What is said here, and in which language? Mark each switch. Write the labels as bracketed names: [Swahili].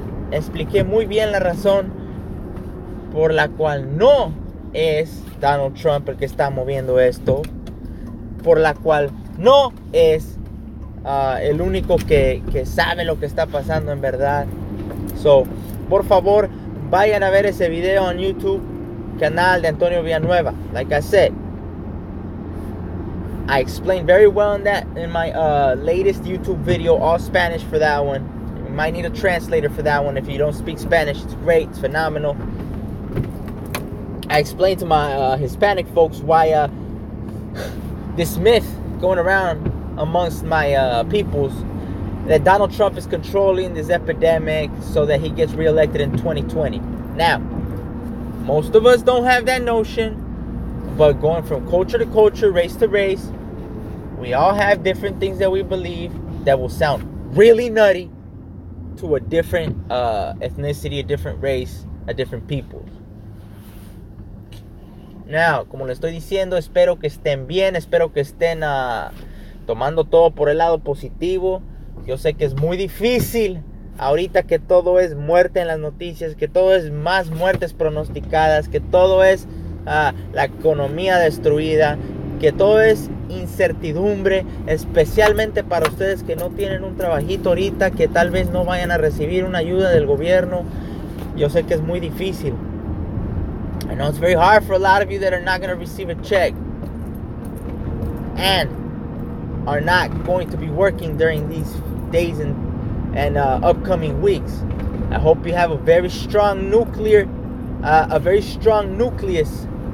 [Spanish] Expliqué muy bien la razón por la cual no es Donald Trump el que está moviendo esto, por la cual no es el único que sabe lo que está pasando en verdad. So, por favor, vayan a ver ese video en YouTube, canal de Antonio Villanueva. [English] Like I said, I explained very well in that in my latest YouTube video, all Spanish for that one. You might need a translator for that one if you don't speak Spanish. It's great, it's phenomenal. I explained to my Hispanic folks why this myth going around amongst my peoples that Donald Trump is controlling this epidemic so that he gets reelected in 2020. Now, most of us don't have that notion, but going from culture to culture, race to race, we all have different things that we believe that will sound really nutty to a different ethnicity, a different race, a different people. [Spanish] Now, como les estoy diciendo, espero que estén bien, espero que estén tomando todo por el lado positivo. Yo sé que es muy difícil ahorita que todo es muerte en las noticias, que todo es más muertes pronosticadas, que todo es la economía destruida, que todo es incertidumbre, especialmente para ustedes que no tienen un trabajito ahorita, que tal vez no vayan a recibir una ayuda del gobierno. Yo sé que es muy difícil. [English] I know it's very hard for a lot of you that are not going to receive a check and are not going to be working during these days and upcoming weeks. I hope you have a very strong nucleus.